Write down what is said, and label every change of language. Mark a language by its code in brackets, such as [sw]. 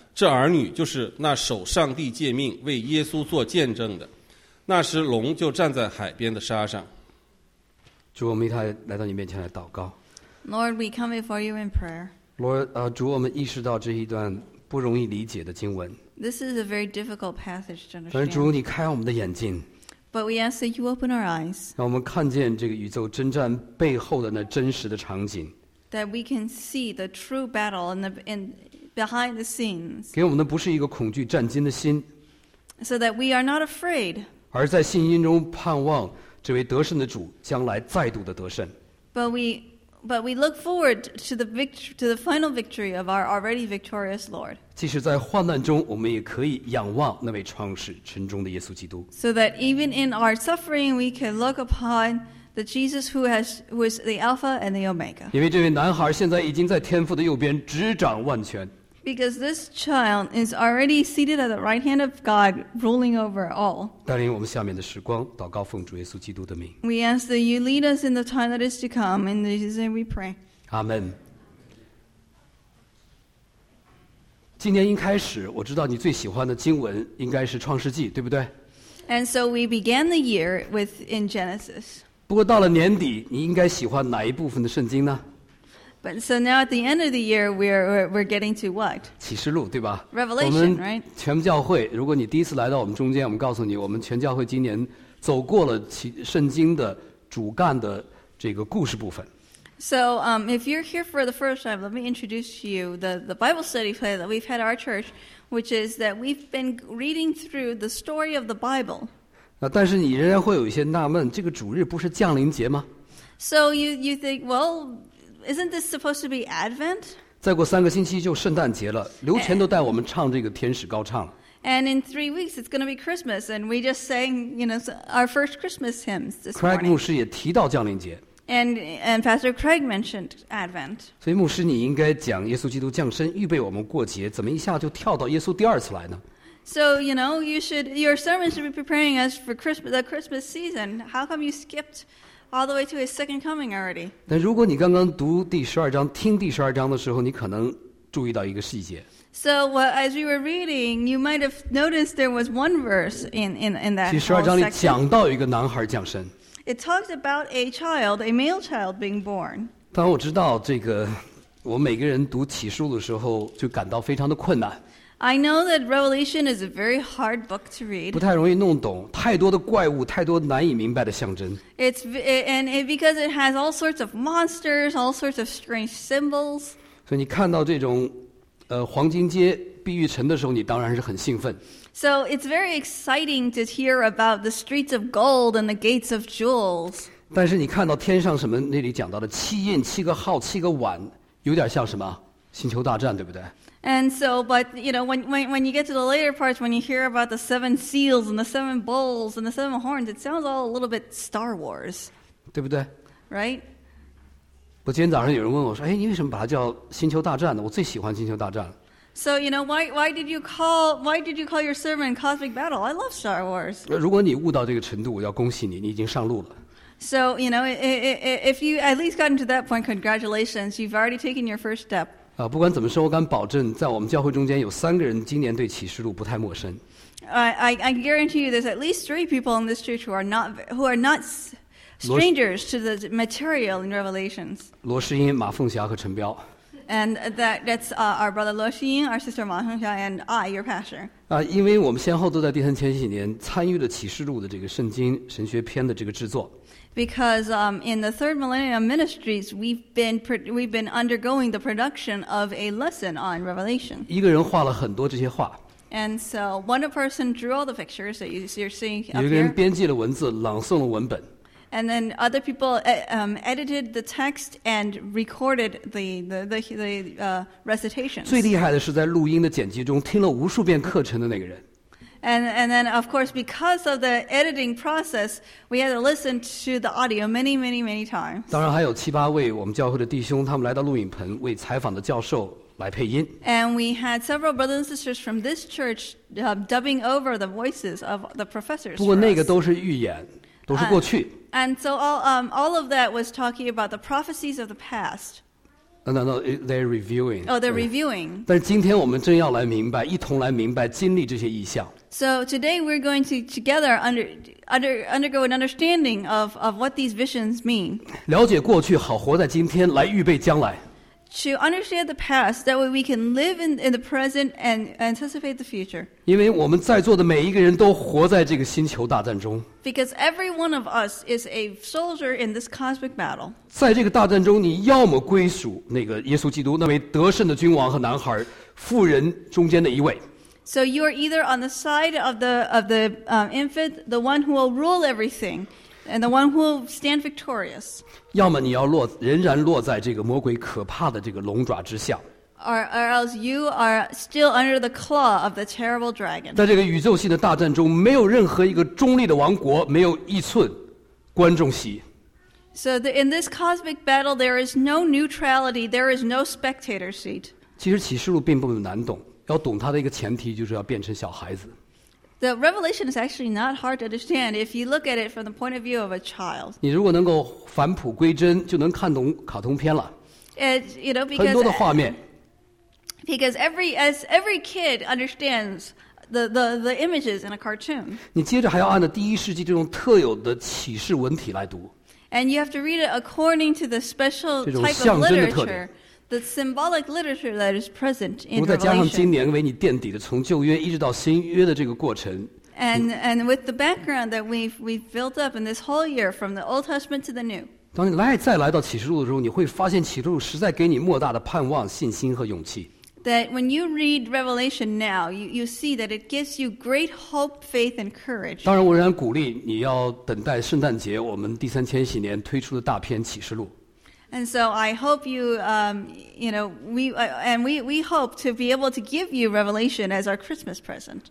[zh] 这儿女就是那守上帝诫命、为耶稣做见证的。那时龙就站在海边的沙上。主，我们一起来到你面前来祷告。 [en] Lord, we come before you in prayer. [zh] Lord, 主，我们意识到这一段不容易理解的经文。 [en] This is a very difficult passage to understand. [zh] 但是主，你开我们的眼睛。 [en] But we ask that you open our eyes. [zh] 让我们看见这个宇宙征战背后的那真实的场景。 [en] That we can see the true battle in behind the scenes. [zh] 给我们的不是一个恐惧战惊的心。 [en] So that we are not afraid. [zh] 而在信心中盼望这位得胜的主将来再度的得胜。 [en] But we look forward to the victory, to the final victory of our already victorious Lord. [zh] 即使在患难中，我们也可以仰望那位创始成终的耶稣基督。 [en] So that even in our suffering, we can look upon the Jesus who is the Alpha and the Omega. [zh] 因为这位男孩现在已经在天父的右边执掌万权。 [en] Because this child is already seated at the right hand of God, ruling over all. [zh] 带领我们下面的时光，祷告奉主耶稣基督的名。 [en] We ask that you lead us in the time that is to come, in Jesus' name we pray. Amen. [zh] 今年一开始，我知道你最喜欢的经文应该是创世纪，对不对？ [en] And so we began the year with in Genesis. [zh] 不过到了年底，你应该喜欢哪一部分的圣经呢？ [en] But so now at the end of the year, we're getting to what? [zh] 启示录，对吧？ [en] Revelation, [zh] 我们全教会，如果你第一次来到我们中间，我们告诉你，我们全教会今年走过了圣经的主干的这个故事部分。 [en] So, if you're here for the first time, let me introduce to you the Bible study plan that we've had our church. which is that we've been reading through the story of the Bible. [zh] 但是你仍然会有一些纳闷，这个主日不是降临节吗？ [en] So you think, well, isn't this supposed to be Advent? [zh] 再过三个星期就圣诞节了，刘全都带我们唱这个天使高唱。 [en] And in 3 weeks, it's going to be Christmas, and we just sang, you know, our first Christmas hymns this [zh] morning. Craig 牧师也提到降临节。 [en] And Pastor Craig mentioned Advent. [zh] 所以牧师，你应该讲耶稣基督降生，预备我们过节，怎么一下就跳到耶稣第二次来呢？ [en] So you know, your sermon should be preparing us for Christmas, the Christmas season. How come you skipped all the way to his second coming already? [zh] 但如果你刚刚读第十二章、听第十二章的时候，你可能注意到一个细节。 [en] So, well, as we were reading, you might have noticed there was one verse in that whole section. [zh] 十二章里讲到一个男孩降生。 [en] It talks about a child, a male child being born. [zh] 当我知道这个，我每个人读启示录的时候就感到非常的困难。 [en] I know that Revelation is a very hard book to read. [zh] 不太容易弄懂，太多的怪物，太多难以明白的象征。 [en] Because it has all sorts of monsters, all sorts of strange symbols. [zh] 所以你看到这种黄金街碧玉城的时候，你当然是很兴奋。 [en] So it's very exciting to hear about the streets of gold and the gates of jewels. [zh] 但是你看到天上什么，那里讲到的七印、七个号、七个碗，有点像什么星球大战，对不对？ [en] And so, but you know, when you get to the later parts, when you hear about the seven seals and the seven bowls and the seven horns, it sounds all a little bit Star Wars. [zh] 对不对？ [en] Right? [zh] 我今天早上有人问我说：“哎，你为什么把它叫《星球大战》呢？我最喜欢《星球大战》。” [en] So you know why did you call your sermon Cosmic Battle? I love Star Wars. [zh] 如果你悟到这个程度，我要恭喜你，你已经上路了。 [en] So you know if you at least gotten to that point, congratulations, you've already taken your first step. [zh] 不管怎么说，我敢保证，在我们教会中间有三个人今年对启示录不太陌生。 [en] I guarantee you, there's at least three people in this church who are not. Strangers to the material in Revelations. [zh] 罗诗英、马凤霞和陈彪。 [en] And that's our brother 罗诗英, our sister 马凤霞, and I, your pastor. [zh] 因为我们先后都在第三千禧年参与了启示录的这个圣经神学篇的这个制作。 [en] Because in the third millennium ministries, we've been undergoing the production of a lesson on Revelation. [zh] 一个人画了很多这些画。 [en] And so one person drew all the pictures that you're seeing up here. [zh] 有一个人编辑了文字，朗诵了文本。 [en] And then other people edited the text and recorded the recitations. [zh] 最厉害的是在录音的剪辑中听了无数遍课程的那个人。 [en] And then, of course, because of the editing process, we had to listen to the audio many, many, many times. [zh] 当然还有七八位我们教会的弟兄，他们来到录影棚为采访的教授来配音。 [en] And we had several brothers and sisters from this church dubbing over the voices of the professors. [zh] 不过那个都是预言，都是过去。 [en] And so all of that was talking about the prophecies of the past. No, they're reviewing. Oh, they're reviewing. [zh] 但是今天我们正要来明白，一同来明白经历这些异象。 [en] So today we're going to together undergo an understanding of what these visions mean. [zh] 了解过去，好活在今天，来预备将来。 [en] To understand the past, that way we can live in the present and anticipate the future. [zh] 因为我们在座的每一个人都活在这个星球大战中。 [en] Because every one of us is a soldier in this cosmic battle. [zh] 在这个大战中，你要么归属那个耶稣基督那位得胜的君王和男孩、妇人中间的一位。 [en] So you are either on the side of the infant, the one who will rule everything. And the one who will stand victorious. [zh] 要么你要落，仍然落在这个魔鬼可怕的这个龙爪之下。 [en] Or else you are still under the claw of the terrible dragon. [zh] 在这个宇宙性的大战中，没有任何一个中立的王国没有一寸观众席。 [en] So in this cosmic battle, there is no neutrality. There is no spectator seat. [zh] 其实启示录并不难懂，要懂它的一个前提就是要变成小孩子。 [en] The revelation is actually not hard to understand if you look at it from the point of view of a child. [zh] 你如果能够返璞归真，就能看懂卡通片了。 [en] And you know because [zh] 很多的画面。 [en] Because every kid understands the images in a cartoon. [zh] 你接着还要按照第一世纪这种特有的启示文体来读。 [en] And you have to read it according to the special type of literature. The symbolic literature that is present in Revelation. [zh] 再加上今年为你垫底的，从旧约一直到新约的这个过程。 [en] And with the background that we've built up in this whole year from the Old Testament to the New. [zh] 当你再来到启示录的时候，你会发现启示录实在给你莫大的盼望、信心和勇气。 [en] that when you read Revelation now, you see that it gives you great hope, faith, and courage. [zh] 当然，我仍然鼓励你要等待圣诞节，我们第三千禧年推出的大片《启示录》。 [en] And so I hope you, we hope to be able to give you Revelation as our Christmas present.